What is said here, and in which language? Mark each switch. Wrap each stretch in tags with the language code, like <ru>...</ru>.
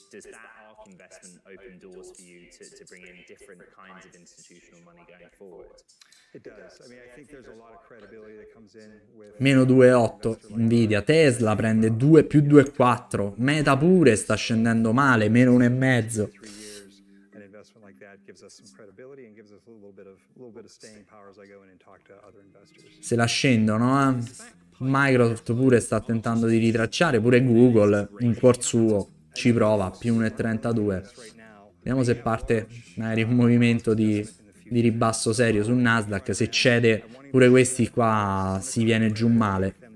<en>Does that ARK investment open doors for you to bring in different kinds of institutional money going forward? It does. I mean, I think there's a lot of credibility that comes in with...</en> <it>Meno 2,8 Nvidia. Tesla prende 2 più 2,4. Meta pure sta scendendo male, meno 1,5.</it> <en>that gives us some credibility and gives us a little bit of staying power as I go in and talk to other investors.</en> <it>Se la scendono, eh? Microsoft pure sta tentando di ritracciare, pure Google in cuor suo ci prova, più 1,32. Vediamo se parte magari un movimento di ribasso serio su Nasdaq, se cede pure questi qua si viene giù male.</it>